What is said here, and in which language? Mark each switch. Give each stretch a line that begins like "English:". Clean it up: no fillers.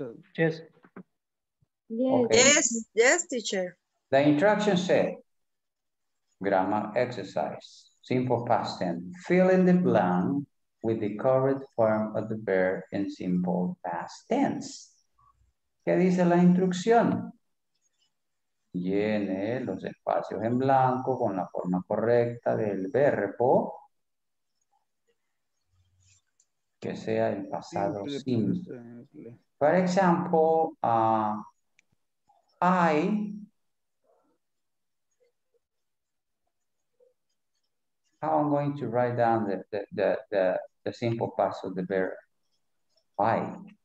English: Okay. Yes. Yes, teacher. The instruction said, grammar exercise, simple past tense, fill in the blank with the correct form of the verb in simple past tense.
Spanish: ¿Qué dice la instrucción? Llene los espacios en blanco con la forma correcta del verbo que sea el pasado simple.
English: For example, I how I'm going to write down the simple past of the verb. Why?